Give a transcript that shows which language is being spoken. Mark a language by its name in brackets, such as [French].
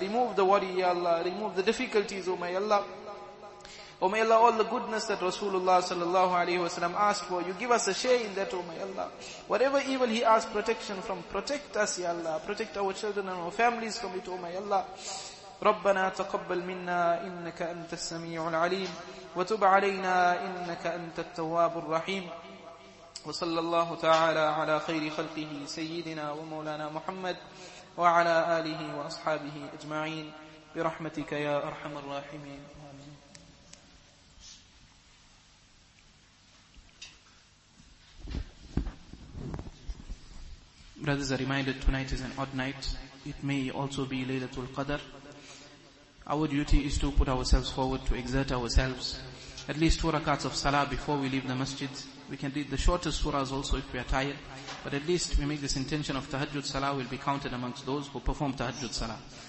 [English] Remove the worry, Ya Allah. Remove the difficulties, oh my Allah. Oh my Allah, all the goodness that Rasulullah sallallahu alayhi wa sallam asked for, you give us a share in that, oh my Allah. Whatever evil he asked protection from, protect us, Ya Allah. Protect our children and our families from it, oh my Allah. [Arabic] رَبَّنَا تَقَبَّلْ مِنَّا إِنَّكَ أَنْتَ السَّمِيعُ الْعَلِيمُ وَتُبْ عَلَيْنَا إِنَّكَ أَنْتَ التَّوَّابُ الرَّحِيمُ وصلى الله تعالى على خير خلقه سيدنا ومولانا محمد وعلى آله وأصحابه أجمعين برحمتك يا أرحم الراحمين [English] Brothers are reminded tonight is an odd night. It may also be Laylatul Qadr. Our duty is to put ourselves forward to exert ourselves at least 2 rakats of salah before we leave the masjid. We can read the shortest surahs also if we are tired. But at least we make this intention of tahajjud salah will be counted amongst those who perform tahajjud salah.